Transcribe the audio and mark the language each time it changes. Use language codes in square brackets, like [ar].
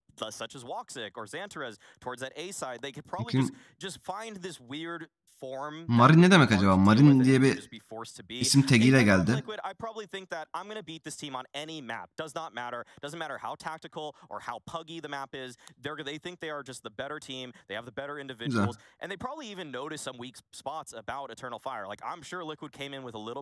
[en] Such as Woxic or Xantaras towards that A side, they could probably just find this weird form. [tr] Marin ne demek acaba? Marin diye bir isim tagiyle geldi. [en] I probably think that I'm gonna beat this team on any map. Does not matter. Doesn't matter how tactical or how puggy the map is. They think they are just the better team. They have the better individuals. And they probably even notice some weak spots about Eternal Fire. Like, I'm sure Liquid came in with a little